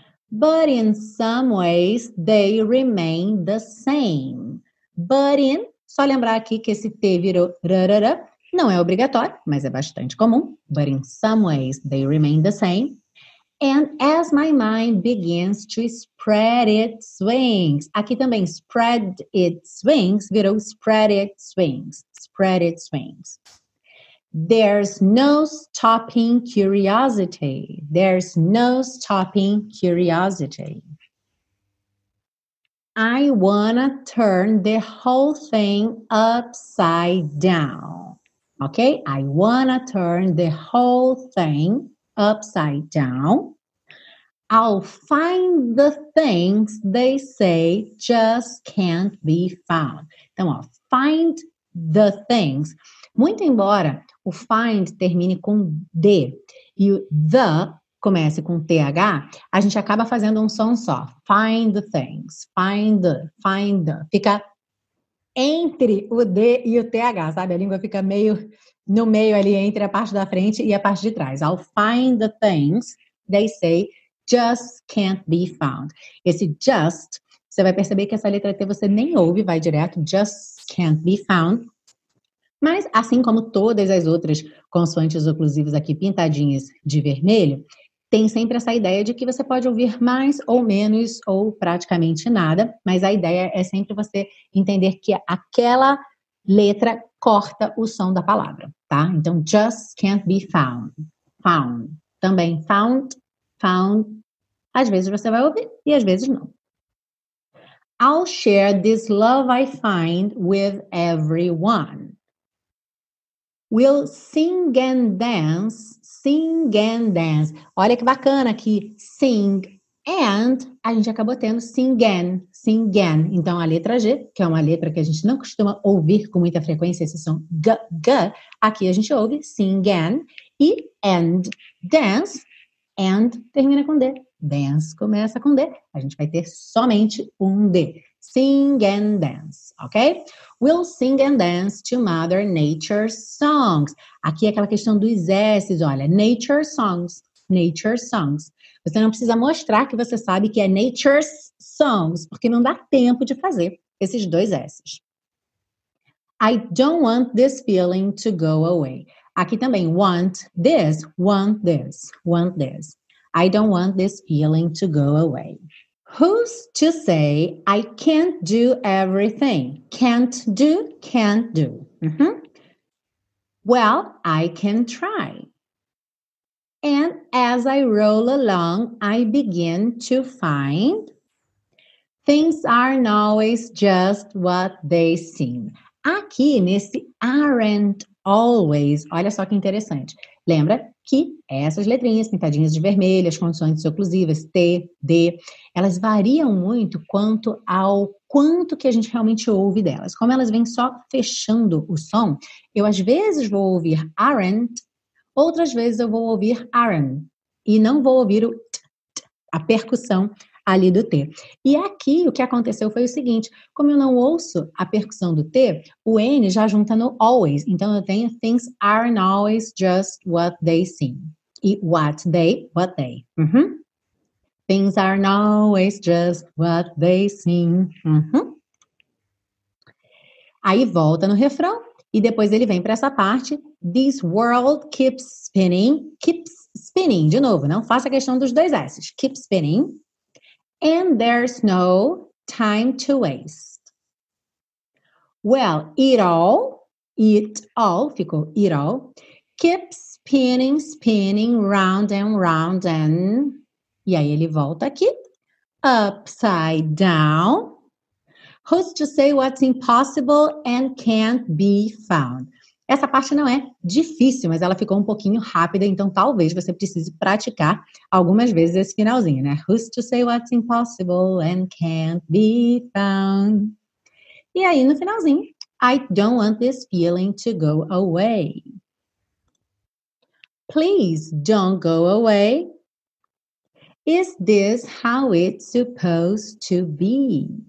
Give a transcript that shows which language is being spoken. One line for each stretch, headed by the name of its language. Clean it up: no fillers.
English: But in some ways, they remain the same. But in,
Portuguese: só lembrar aqui que esse T virou rarara, não é obrigatório, mas é bastante comum.
English: But in some ways, they remain the same. And as my mind begins to spread its wings.
Portuguese: Aqui também,
English: spread its wings,
Portuguese: virou
English: spread its wings. Spread its wings. There's no stopping curiosity. There's no stopping curiosity. I wanna turn the whole thing upside down. Okay? I wanna turn the whole thing upside down. I'll find the things they say just can't be found.
Portuguese: Então, ó,
English: find the things.
Portuguese: Muito embora o find termine com D e o the comece com TH, a gente acaba fazendo um som só.
English: Find the things. Find the. Find the.
Portuguese: Fica entre o D e o TH, sabe? A língua fica meio no meio ali, entre a parte da frente e a parte de trás.
English: I'll find the things they say just can't be found.
Portuguese: Esse
English: just,
Portuguese: Você vai perceber que essa letra T você nem ouve, vai direto,
English: just can't be found.
Portuguese: Mas, assim como todas as outras consoantes oclusivas aqui pintadinhas de vermelho, tem sempre essa ideia de que você pode ouvir mais ou menos ou praticamente nada, mas a ideia é sempre você entender que aquela letra corta o som da palavra, tá? Então,
English: just can't be found. Found.
Portuguese: Também
English: found, found.
Portuguese: Às vezes você vai ouvir e às vezes não.
English: I'll share this love I find with everyone. We'll sing and dance, sing and dance.
Portuguese: Olha que bacana aqui, sing and, a gente acabou tendo
English: sing and, sing and.
Portuguese: Então a letra G, que é uma letra que a gente não costuma ouvir com muita frequência, esse som G, G, aqui a gente ouve
English: sing and dance,
Portuguese: and termina com D, dance começa com D, a gente vai ter somente um D.
English: Sing and dance, ok? We'll sing and dance to Mother Nature's songs.
Portuguese: Aqui é aquela questão dos S's, olha.
English: Nature's songs, nature's songs.
Portuguese: Você não precisa mostrar que você sabe que é nature's songs, porque não dá tempo de fazer esses dois S's.
English: I don't want this feeling to go away.
Portuguese: Aqui também,
English: want this, want this, want this. I don't want this feeling to go away. Who's to say I can't do everything? Can't do, can't do. Mm-hmm. Well, I can try. And as I roll along, I begin to find things aren't always just what they seem.
Portuguese: Aqui, nesse aren't always, olha só que interessante. Lembra que essas letrinhas pintadinhas de vermelho, as consoantes oclusivas, T, D, elas variam muito quanto ao quanto que a gente realmente ouve delas. Como elas vêm só fechando o som, eu às vezes vou ouvir aren't, outras vezes eu vou ouvir aren't e não vou ouvir o t, t, a percussão ali do T. E aqui o que aconteceu foi o seguinte, como eu não ouço a percussão do T, o N já junta no always. Então eu tenho
English: things aren't always just what they seem.
Portuguese: E
English: what they.
Portuguese: Uhum.
English: Things aren't always just what they seem. Uhum.
Portuguese: Aí volta no refrão e depois ele vem para essa parte.
English: This world keeps spinning, keeps spinning.
Portuguese: De novo, não faça a questão dos dois S's.
English: Keep spinning. And there's no time to waste. Well, it all,
Portuguese: ficou
English: it all, keeps spinning, spinning, round and round and...
Portuguese: E aí ele volta aqui.
English: Upside down. Who's to say what's impossible and can't be found?
Portuguese: Essa parte não é difícil, mas ela ficou um pouquinho rápida, então talvez você precise praticar algumas vezes esse finalzinho, né?
English: Who's to say what's impossible and can't be found?
Portuguese: E aí, no finalzinho,
English: I don't want this feeling to go away. Please don't go away. Is this how it's supposed to be?